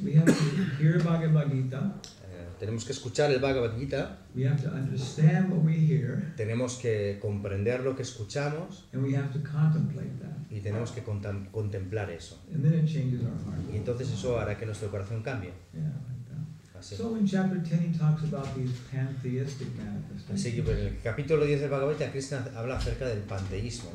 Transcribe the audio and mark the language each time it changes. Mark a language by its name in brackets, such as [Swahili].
[English] We have to hear Bhagavad Gita. [Spanish] Tenemos que escuchar el Bhagavad Gita. [English] We have to understand what we hear. [Spanish] Tenemos que comprender lo que escuchamos. [English] And we have to contemplate that. [Spanish] Y tenemos que contemplar eso. [English] And then it changes our heart. [Spanish] Y entonces eso hará que nuestro corazón cambie. [English] So in chapter 10 he talks about these pantheistic manifestations. [Spanish] Así que pues, en el capítulo 10 del Bhagavad Gita Krishna habla acerca del panteísmo.